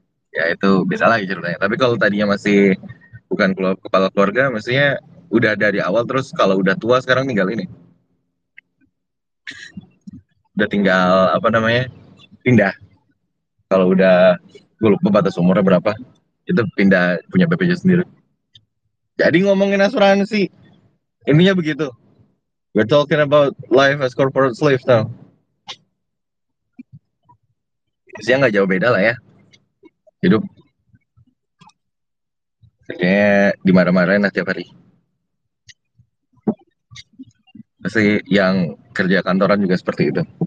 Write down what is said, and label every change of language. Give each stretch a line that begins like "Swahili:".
Indonesian: Ya itu bisa lagi ceritanya. Tapi kalau tadinya masih bukan kepala keluarga, mestinya udah dari awal terus kalau udah tua sekarang tinggal ini. Udah tinggal apa namanya? Pindah. Kalau udah gue lupa batas umurnya berapa, itu pindah punya BPJS sendiri. Jadi ngomongin asuransi, intinya begitu.
English: We're talking about life as corporate slaves now.
Indonesian: Isinya nggak jauh beda lah ya. Hidup kayaknya dimarah-marahin lah tiap hari. Pasti yang kerja kantoran juga seperti itu.